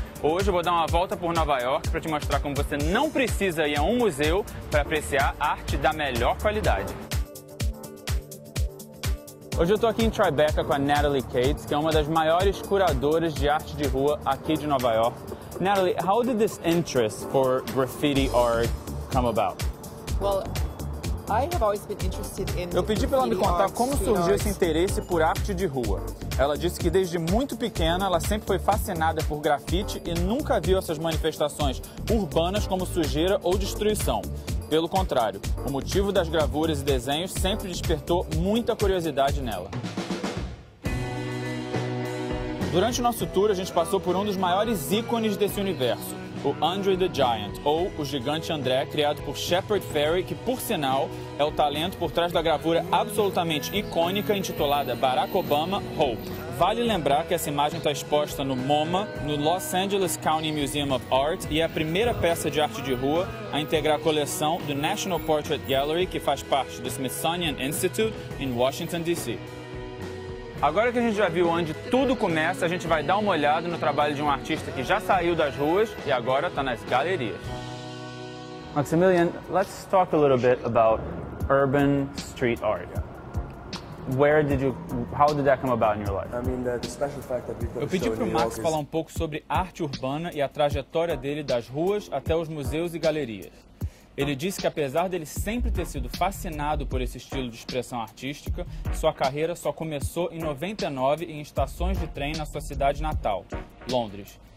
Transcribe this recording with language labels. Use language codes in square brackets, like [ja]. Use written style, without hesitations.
[pt] Hoje eu vou dar uma volta por Nova York para te mostrar como você não precisa ir a um museu para apreciar arte da melhor qualidade. Hoje eu estou aqui em Tribeca com a Natalie Cates, que é uma das maiores curadoras de arte de rua aqui de Nova York. [en] Natalie, how did this interest for graffiti art come about? Well, I have always been interested in. [pt] Eu pedi para ela me contar como surgiu esse interesse por arte de rua. Ela disse que desde muito pequena ela sempre foi fascinada por grafite e nunca viu essas manifestações urbanas como sujeira ou destruição. Pelo contrário, o motivo das gravuras e desenhos sempre despertou muita curiosidade nela. Durante o nosso tour, a gente passou por um dos maiores ícones desse universo, o Andre the Giant, ou o Gigante André, criado por Shepard Fairey, que, por sinal, é o talento por trás da gravura absolutamente icônica intitulada Barack Obama, Hope. Vale lembrar que essa imagem está exposta no MoMA, no Los Angeles County Museum of Art, e é a primeira peça de arte de rua a integrar a coleção do National Portrait Gallery, que faz parte do Smithsonian Institute, em Washington, D.C. Agora que a gente já viu onde tudo começa, a gente vai dar uma olhada no trabalho de um artista que já saiu das ruas e agora está nas galerias. [en] Maximilian, let's talk a little bit about urban street art. Where did you, how did that come about in your life? I mean, the special fact that we've got. [pt] Eu pedi para o Max falar um pouco sobre arte urbana e a trajetória dele das ruas até os museus e galerias. Ele disse que apesar dele sempre ter sido fascinado por esse estilo de expressão artística, sua carreira só começou em 99 em estações de trem na sua cidade natal, Londres.